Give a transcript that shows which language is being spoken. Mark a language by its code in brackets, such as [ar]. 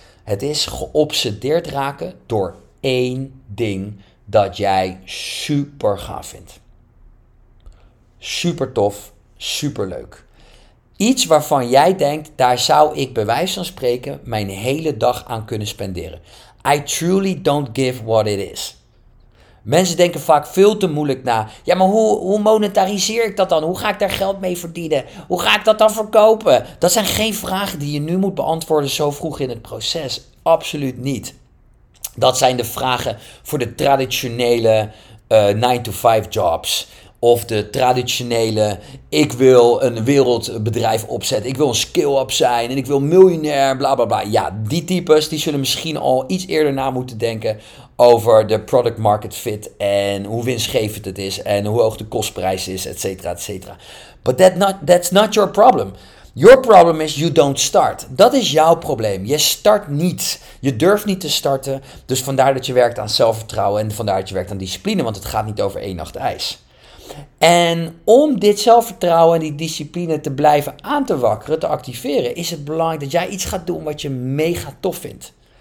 [nl] Het is geobsedeerd raken door één ding dat jij super gaaf vindt. Super tof, super leuk. Iets waarvan jij denkt, daar zou ik bij wijze van spreken mijn hele dag aan kunnen spenderen. [en] I truly don't give what it is. [nl] Mensen denken vaak veel te moeilijk na. Ja, maar hoe monetariseer ik dat dan? Hoe ga ik daar geld mee verdienen? Hoe ga ik dat dan verkopen? Dat zijn geen vragen die je nu moet beantwoorden zo vroeg in het proces. Absoluut niet. Dat zijn de vragen voor de traditionele 9-to-5 jobs. Of de traditionele, ik wil een wereldbedrijf opzetten, ik wil een skill-up zijn en ik wil miljonair, bla bla bla. Ja, die types die zullen misschien al iets eerder na moeten denken over de product market fit en hoe winstgevend het is en hoe hoog de kostprijs is, et cetera, et cetera. [en] But that's not your problem. Your problem is you don't start. [nl] Dat is jouw probleem. Je start niet. Je durft niet te starten. Dus vandaar dat je werkt aan zelfvertrouwen en vandaar dat je werkt aan discipline, want het gaat niet over één nacht ijs. En om dit zelfvertrouwen en die discipline te blijven aan te wakkeren, te activeren, is het belangrijk dat jij iets gaat doen wat je mega tof vindt.